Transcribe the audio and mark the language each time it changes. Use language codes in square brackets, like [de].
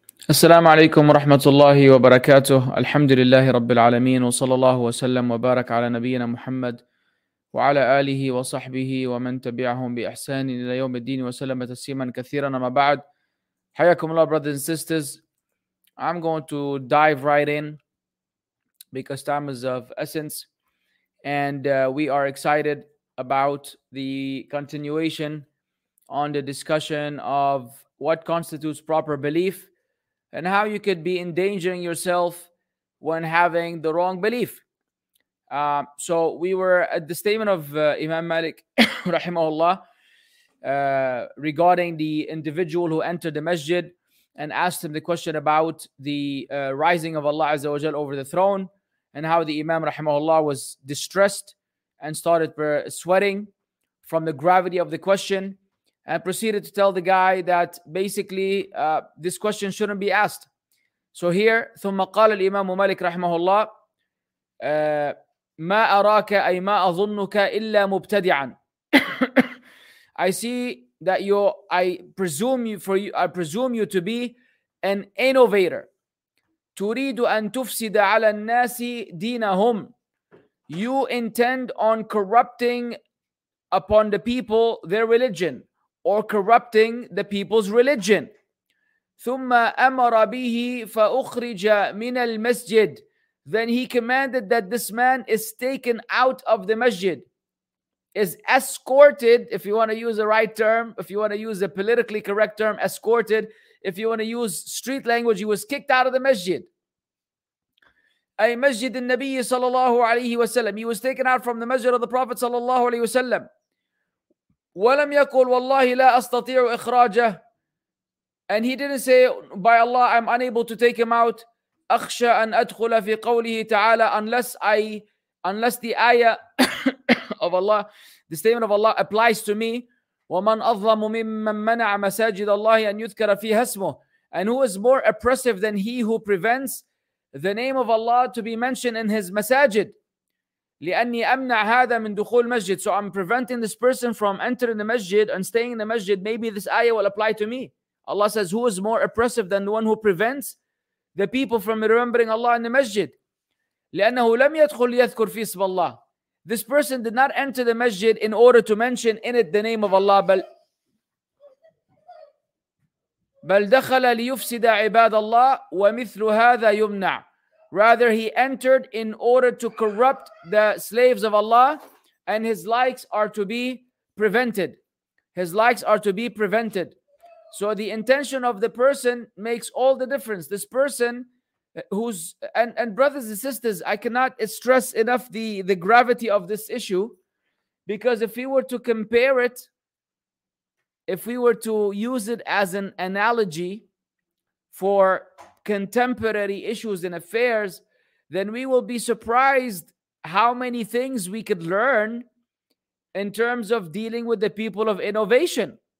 [ar] السلام عليكم ورحمة الله وبركاته. الحمد لله رب العالمين، وصلى الله وسلم وبارك على نبينا محمد وعلى آله وصحبه ومن تبعهم بإحسان إلى يوم الدين وسلم تسليما كثيرا. ما بعد، حياكم الله [en] brothers and sisters. I'm going to dive right in because time is of essence and we are excited about the continuation on the discussion of what constitutes proper belief and how you could be endangering yourself when having the wrong belief. So we were at the statement of Imam Malik rahimahullah regarding the individual who entered the masjid and asked him the question about the rising of Allah Azza wa Jal over the throne, and how the Imam rahimahullah was distressed and started sweating from the gravity of the question, and proceeded to tell the guy that basically this question shouldn't be asked. So here, [ar] ثم قال الإمام مالك رحمه الله ما أراك أي ما أظنك إلا مبتدعا. [en] I see that I presume you to be an innovator. [ar] تريد أن تفسد على الناس دينهم. [en] You intend on corrupting upon the people their religion, or corrupting the people's religion. [ar] ثُمَّ أَمَرَ بِهِ فَأُخْرِجَ مِنَ الْمَسْجِدِ. [en] Then he commanded that this man is taken out of the masjid, is escorted, if you want to use the right term, if you want to use the politically correct term, escorted, if you want to use street language, he was kicked out of the masjid. [ar] أي مسجد النبي صلى الله عليه وسلم. [en] He was taken out from the masjid of the Prophet صلى الله عليه وسلم. [ar] وَلَمْ يَقُلْ وَاللَّهِ لَا أَسْتَطِيعُ إِخْرَاجَهُ. [en] And he didn't say, by Allah, I'm unable to take him out. [ar] أَخْشَى أَنْ أَدْخُلَ فِي قَوْلِهِ تَعَالَى. [en] Unless the ayah of Allah, the statement of Allah applies to me. [ar] وَمَنْ أَظَّمُ مِمَّنْ مَنَعَ مَسَاجِدَ اللَّهِ أَنْ يُذْكَرَ فِيهَ اسْمُهُ. [en] And who is more oppressive than he who prevents the name of Allah to be mentioned in his masajid? [ar] لأني أمنع هذا من دخول المسجد. [en] So I'm preventing this person from entering the masjid and staying in the masjid. Maybe this ayah will apply to me. Allah says, who is more oppressive than the one who prevents the people from remembering Allah in the masjid? [ar] لأنه لم يدخل يذكر في اسم الله. [en] This person did not enter the masjid in order to mention in it the name of Allah. [ar] بل دخل ليفسد عباد الله ومثل هذا يمنع. [en] Rather, he entered in order to corrupt the slaves of Allah, and his likes are to be prevented. His likes are to be prevented. So the intention of the person makes all the difference. This person who's, and brothers and sisters, I cannot stress enough the gravity of this issue, because if we were to compare it, if we were to use it as an analogy for contemporary issues and affairs, then we will be surprised how many things we could learn in terms of dealing with the people of innovation.